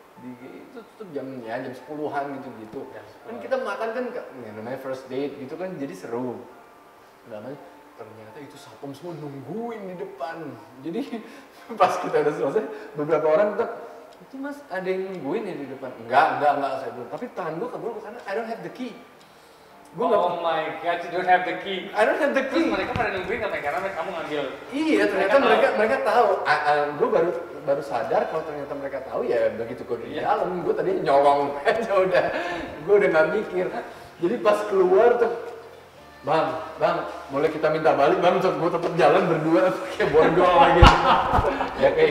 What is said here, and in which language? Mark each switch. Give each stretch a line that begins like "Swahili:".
Indonesian: Itu tutup jamnya, jam 10-an gitu-gitu. Kan kita makan kan, namanya
English: first date
Indonesian: gitu kan, jadi seru. Ternyata itu satpam semua nungguin di depan. Jadi pas kita udah selesai, beberapa orang tetap, itu mas ada yang nungguin ya di depan. Enggak, saya belum. Tapi tangan gue kabur ke sana,
English: I don't have the key. Gua oh my god, you don't have the key. I don't have the key.
Indonesian: Terus mereka pada nungguin katanya karena kamu ngambil. Iya, ternyata mereka tahu. Gua baru sadar kalau ternyata mereka tahu ya begitu gua di dalam. Gua tadi nyolong aja udah. Gua udah enggak mikir. Jadi pas keluar tuh Bang, bang, boleh kita minta balik bang? Coba gue tetap jalan berdua kayak borgol lagi. Ya kayak